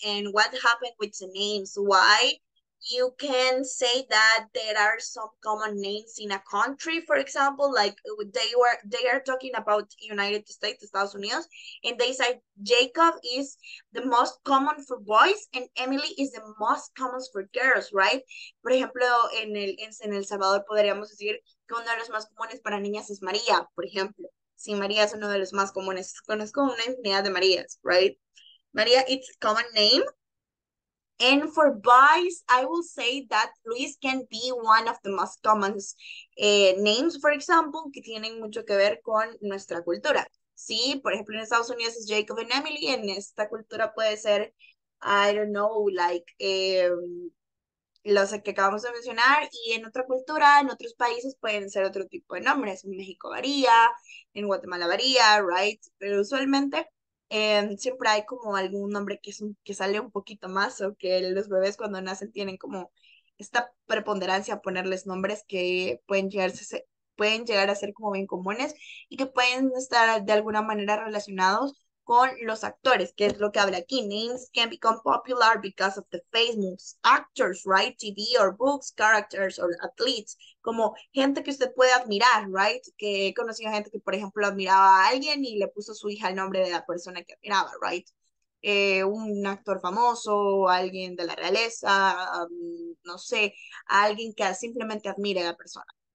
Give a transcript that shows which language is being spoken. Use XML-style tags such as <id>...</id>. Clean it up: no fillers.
<en>And what happened with the names. Why? You can say that there are some common names in a country, for example, like they are talking about United States, Estados Unidos, and they said Jacob is the most common for boys and Emily is the most common for girls, right?</en> <es>Por ejemplo, en el Salvador podríamos decir que uno de los más comunes para niñas es María, por ejemplo. Sí, María es uno de los más comunes. Conozco una infinidad de Marías,</es> <en>right? María, it's a common name. And for boys, I will say that Luis can be one of the most common names, for example,</en> <es>que tienen mucho que ver con nuestra cultura. Sí, por ejemplo, en Estados Unidos es Jacob and Emily. En esta cultura puede ser,</es> <en>I don't know, like,</en> <es>los que acabamos de mencionar. Y en otra cultura, en otros países, pueden ser otro tipo de nombres. En México varía, en Guatemala varía, right? Pero usualmente... siempre hay como algún nombre que sale un poquito más, o que los bebés cuando nacen tienen como esta preponderancia a ponerles nombres que pueden llegar a ser como bien comunes y que pueden estar de alguna manera relacionados con los actores, que es lo que habla aquí.</es> <en>Names can become popular because of the famous actors, right? TV or books, characters or athletes,</en> <es>como gente que usted puede admirar,</es> <en>right?</en> <es>Que he conocido gente que, por ejemplo, admiraba a alguien y le puso su hija el nombre de la persona que admiraba, right? Un actor famoso, alguien de la realeza, no sé, alguien que simplemente admire a la persona.</es>